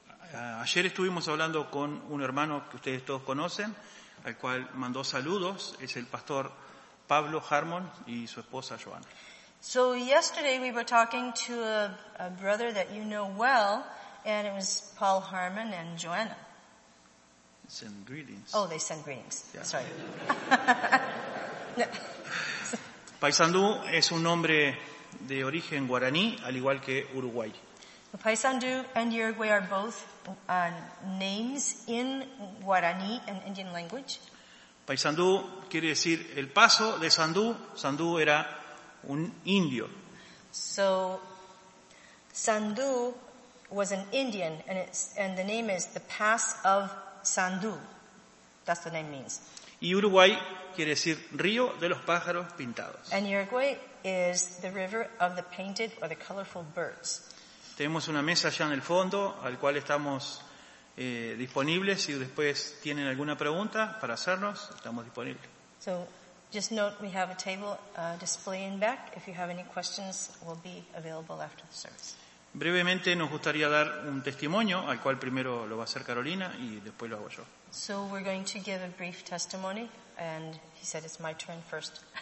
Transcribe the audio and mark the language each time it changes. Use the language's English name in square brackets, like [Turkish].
[Spanish] Ayer estuvimos hablando con un hermano que ustedes todos conocen, al cual mandó saludos. Es el pastor Pablo Harmon y su esposa Joana. [English] So yesterday we were talking to a brother that you know well, and it was Paul Harmon and Joana. Send greetings. Oh, they send greetings. Yeah. Sorry. [Spanish] Paysandú es un nombre de origen guaraní, al igual que Uruguay. [English] Paysandú and Uruguay are both names in Guaraní and Indian language. [Spanish] Paysandú quiere decir el paso de Sandú. Sandú era un indio. [English] So Sandú was an Indian, and the name is the pass of Sandú. That's what the name means. [Spanish] Y Uruguay quiere decir río de los pájaros pintados. [English] And Uruguay is the river of the painted or the colorful birds. [Spanish] Tenemos una mesa allá en el fondo al cual estamos disponibles. Si después tienen alguna pregunta para hacernos, estamos disponibles. [English] So, just note we have a table display in back. If you have any questions, we'll be available after the service. [Spanish] Brevemente nos gustaría dar un testimonio al cual primero lo va a hacer Carolina y después lo hago yo. [English] So we're going to give a brief testimony, and he said it's my turn first.